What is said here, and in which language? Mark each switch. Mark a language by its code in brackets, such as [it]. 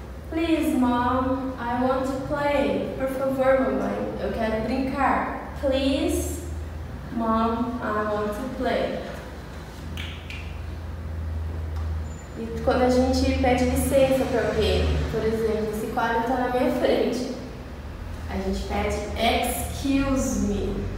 [en] Please, mom, I want to play. [pt] Por favor, mamãe, eu quero brincar. [en] Please, mom, I want to play. [pt] E quando a gente pede licença para alguém, por exemplo, esse quadro está na minha frente, a gente pede [en] excuse me.